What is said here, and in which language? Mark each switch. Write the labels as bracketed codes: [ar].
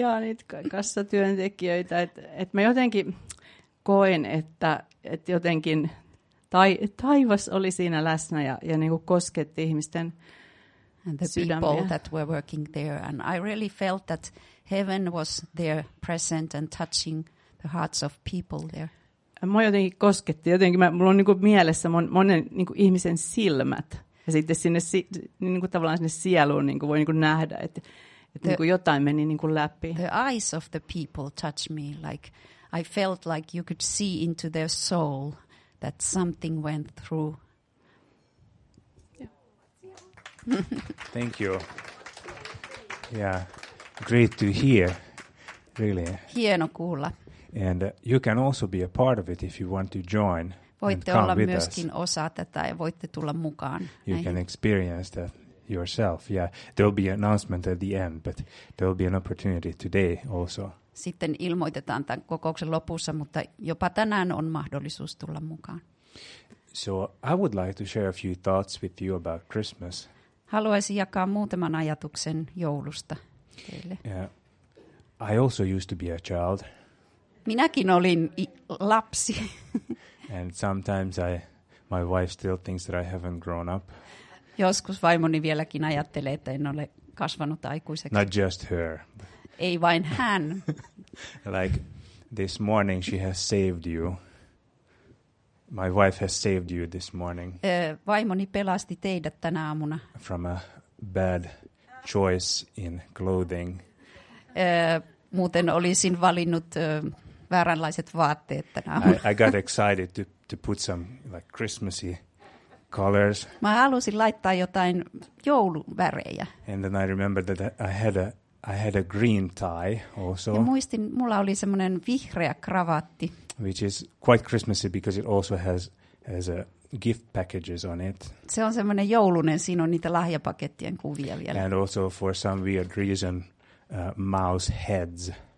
[fi] Joo, niitä kassatyöntekijöitä. Et mä jotenkin koen, että jotenkin taivas oli siinä läsnä ja niinku kosketti ihmisten [en] and the [fi] sydämiä. [en] People that were working there, and I really felt that heaven was there present and touching the hearts of people there. [fi] Mua jotenkin kosketti, jotenkin mulla on niinku mielessä monen niinku ihmisen silmät, ja sitten sinne niinku tavallaan sinne sieluun niinku voi niinku nähdä, että niinku jotain meni niinku läpi. [en] The eyes of the people touched me, like I felt like you could see into their soul that something went through. Thank you. Yeah, great to hear. Really. [fi] Hieno kuulla. [en] And you can also be a part of it if you want to join. [fi] Voitte [en] and come [fi] olla [en] with [fi] myöskin [en] us. [fi] Osa tätä ja voitte tulla mukaan. [en] You [fi] näihin. [en] Can experience that yourself. Yeah, there'll be an announcement at the end, but there'll be an opportunity today also. [fi] Sitten ilmoitetaan tämän kokouksen lopussa, mutta jopa tänään on mahdollisuus tulla mukaan. [en] So I would like to share a few thoughts with you about Christmas. [fi] Haluaisin jakaa muutaman ajatuksen joulusta teille. [en] Yeah. I also used to be a child. [fi] Minäkin olin lapsi. [en] And sometimes my wife still thinks that I haven't grown up. [fi] Joskus vaimoni vieläkin ajattelee, että en ole kasvanut aikuiseksi. [en] Not just her. [fi] Ei vain hän. [en] Like this morning she has saved you. My wife has saved you this morning. [fi] Vaimoni pelasti teidät tänä aamuna. [en] From a bad choice in clothing. [fi] Muuten olisin valinnut vääränlaiset vaatteet tänä aamuna. [en] I got excited to put some like Christmassy colors. [fi] Mä halusin laittaa jotain jouluvärejä. [en] And then I remember that I had a green tie also. [fi] Ja muistin, mulla oli semmoinen vihreä kravatti. [en] Which is quite Christmassy because it also has a gift packages on it. [fi] Se on semmoinen joulunen, siinä on niitä lahjapakettien kuvia vielä. [en] And also for some weird reason, mouse heads.